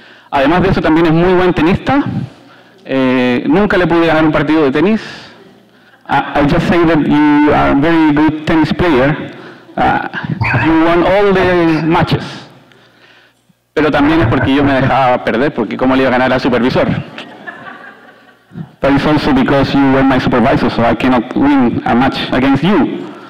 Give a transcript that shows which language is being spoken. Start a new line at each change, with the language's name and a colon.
Spanish: Además de eso, también es muy buen tenista. Nunca le pude ganar un partido de tenis.
English: I just say that you are a very good tennis player. You won all the matches.
Spanish: Pero también es porque yo me dejaba perder, porque cómo le iba a ganar al supervisor.
English: But it's also because you were my supervisor, so I cannot win a match against you.